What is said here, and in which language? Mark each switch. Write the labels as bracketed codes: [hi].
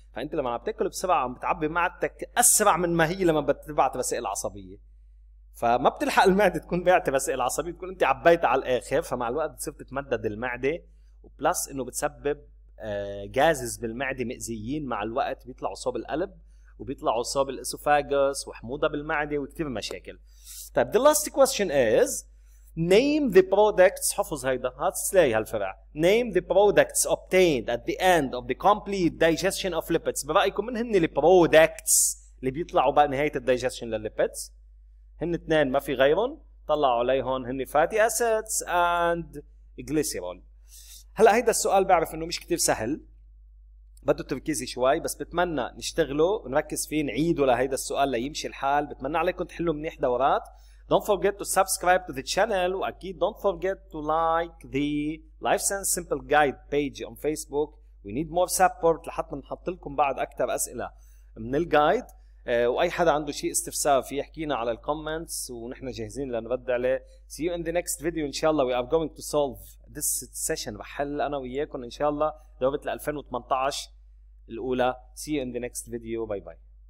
[ar] فأنت لما عم تأكل بسرعة عم بتعبي معدتك أسرع من ما هي لما بتبعت رسائل عصبية، فما بتلحق المعدة تكون بعت رسائل عصبية، تكون أنت عبيتها على الآخر، فمع الوقت بتصير تتمدد المعدة، وبلس إنه بتسبب غازز بالمعدة مئزيين مع الوقت بيطلعوا صوب القلب وبيطلعوا صوب الإسوفاجوس وحموضة بالمعدة وكتير مشاكل. [en] طيب the last question is name the products، [ar] حفظ هيدا هتسلاقي هالفرع، [en] name the products obtained at the end of the complete digestion of lipids. [ar] برأيكم من هن the products اللي بيطلعوا بقى نهاية الديجستشن للليبيدز؟ هن اثنين ما في غيرهم، طلعوا علي هون هن [en] fatty acids and glycerol. [ar] هلا هيدا السؤال بعرف انه مش كتير سهل، بده تركيز شوي، بس بتمنى نشتغله ونركز فيه نعيده لهيدا السؤال ليمشي الحال. بتمنى عليكم تحلوا منيح دورات. [en] Don't forget to subscribe to the channel، واكيد don't forget to like the Life Science Simple Guide page on Facebook. We need more support [ar] لحتى نحط لكم بعد اكثر اسئله من الجايد، واي حدا عنده شيء استفسار فيه يحكينا على الكومنتس ونحن جاهزين لنرد عليه. [en] See you in the next video ان شاء الله. We are going to solve this session، [ar] بحل انا وياكم ان شاء الله دورة 2018 الاولى. [en] See you in the next video. Bye bye.